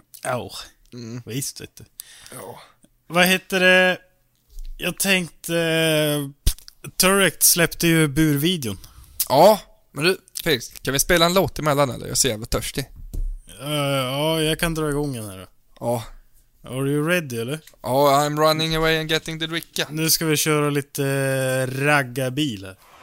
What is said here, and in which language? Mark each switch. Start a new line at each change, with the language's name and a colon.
Swedish: Åh. Visst vet du. Ja. Vad heter det? Jag tänkte... Turret släppte ju burvideon. Ja, men du, Felix, kan vi spela en låt emellan eller? Jag ser jävla törstig. Ja, jag kan dra igång den här då. Ja.
English: Are you ready
Swedish: eller? Ja,
English: I'm running away and getting the
Swedish: dricka. Nu ska vi köra lite ragga bil här.